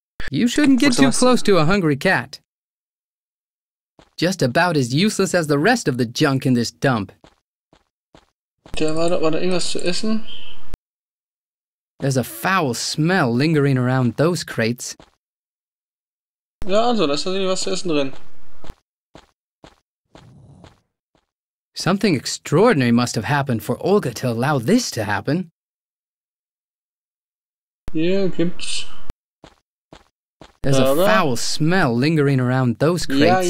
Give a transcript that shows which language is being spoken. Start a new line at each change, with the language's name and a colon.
English: You shouldn't get too close to a hungry cat. Just about as useless as the rest of the junk in this dump.
German: War da irgendwas zu essen?
English: There's a foul smell lingering around those crates.
German: Ja, also, da ist tatsächlich was zu essen drin.
English: Something extraordinary must have happened for Olga to allow this to happen.
German: Hier gibt's...
English: There's a foul smell lingering around those crates.